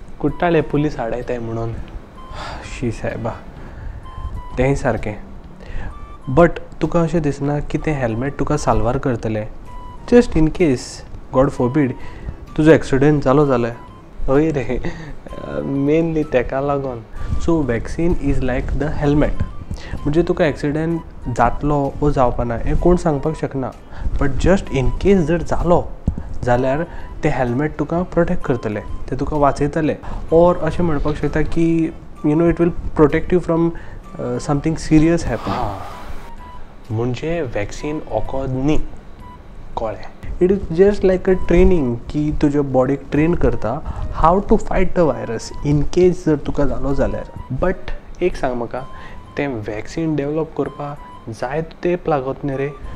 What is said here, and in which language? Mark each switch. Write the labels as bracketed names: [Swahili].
[Konkani] कुट्टाळे पुलीस हाडायताय म्हणून. शी सायबा, तेंय सारकें. [English] but [Konkani] तुका अशें दिसना की तें हॅल्मेट तुका सालवार करतलें? [English] just in case God forbid [Konkani] तुजो एक्सिडेंट जालो जाल्यार. हय रे, मेनली ताका लागून. [English] so vaccine is like the helmet, [Konkani] म्हणजे तुका एक्सिडेंट जातलो वो जावपाना हें कोण सांगपाक शकना, [English] but just in case [Konkani] जर जालो जाल्यार तें हॅल्मेट तुका प्रोटेक्ट करतलें, तें तुका वाचयतलें. ओर अशें म्हणपाक शकता की [English] You know it will protect you from something serious happening. [Konkani] म्हणजे वॅक्सीन वखद न्ही, कळ्ळें. [English] it is just like a training [Konkani] की तुजे बॉडीक ट्रेन करता [English] how to fight the virus in case [Konkani] जर तुका जालो जाल्यार. बट एक सांग म्हाका, तें वॅक्सीन डॅवलप करपाक जाय तेंप लागत न्ही रे?